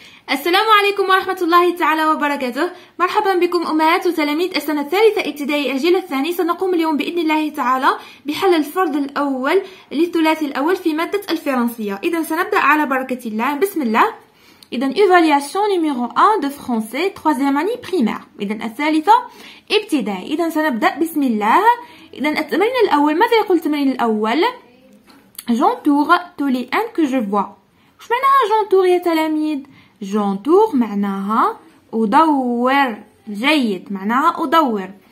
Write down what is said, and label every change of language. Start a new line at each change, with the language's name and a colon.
Arabic: السلام عليكم ورحمة الله تعالى وبركاته. مرحبا بكم أمهات وتلاميذ السنة الثالثة ابتدائي الجيل الثاني. سنقوم اليوم بإذن الله تعالى بحل الفرض الأول للثلاثي الأول في مادة الفرنسية. إذا سنبدأ على بركة الله. بسم الله.
French: إذا evaluation numéro 1 de français 3e année primaire.
Arabic: إذا الثالثة ابتدائي. إذا سنبدأ بسم الله. إذا التمرين الأول، ماذا يقول التمرين الأول؟
French: J'entoure tous les uns que je vois.
Arabic: شو معناها j'entoure يا تلاميذ؟ جونتور معناها أدور، جيد معناها أدور.